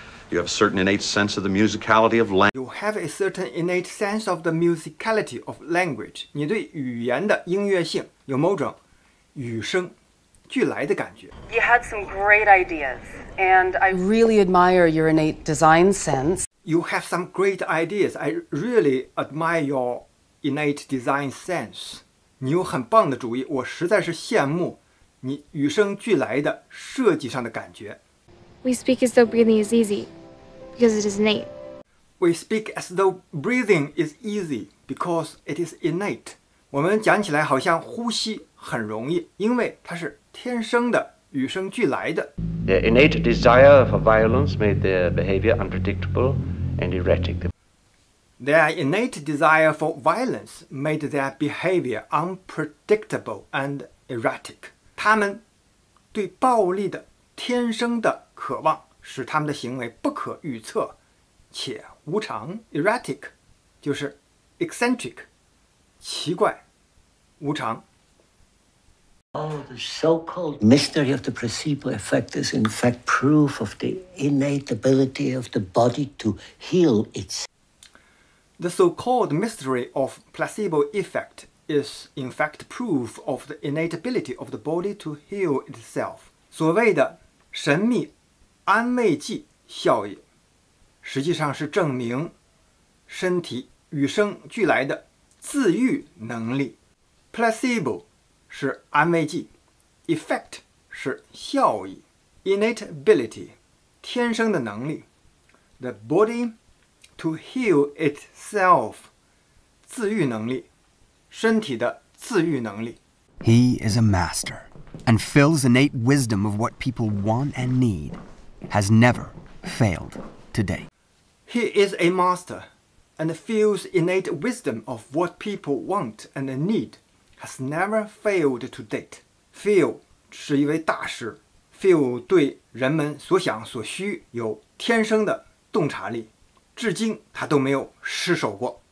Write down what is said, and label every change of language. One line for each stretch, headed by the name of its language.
English: You have a certain innate sense of the musicality of language. You have a certain innate sense of the musicality of language.
Chinese: 你对语言的音乐性有某种与生俱来的感觉。
English: You had some great ideas, and I really admire your innate design sense. You have some great ideas. I really admire your innate design sense.
Chinese: 你有很棒的主意，我实在是羡慕你与生俱来的设计上的感觉。
English: We speak as though breathing is easy, because it is innate. We speak as though breathing is easy because it is innate.
Chinese: 我们讲起来好像呼吸。很容易，因为它是天生的，与生俱来的。
English: Their innate desire for violence made their behavior unpredictable and erratic. Their innate desire for violence made their behavior unpredictable and erratic.
Chinese: 他们对暴力的天生的渴望，使他们的行为不可预测且无常。 Erratic 就是 eccentric， 奇怪，无常。
English: Oh, the so-called mystery of the placebo effect is in fact proof of the innate ability of the body to heal itself. The so-called mystery of placebo effect is in fact proof of the innate ability of the body to heal itself.
Chinese: 所谓的神秘安慰剂效应，实际上是证明身体与生俱来的自愈能力。 Placebo是安慰剂 ，effect 是效益 ，innate ability 天生的能力 ，
English: the body to heal itself
Chinese: 自愈能力，身体的自愈能力。
English: He is a master and fills innate wisdom of what people want and need has never failed to date. He is a master and fills innate wisdom of what people want and need. Has never failed to date. Feel
Chinese: 是一位大师。 Feel 对人们所想所需有天生的洞察力，至今他都没有失手过。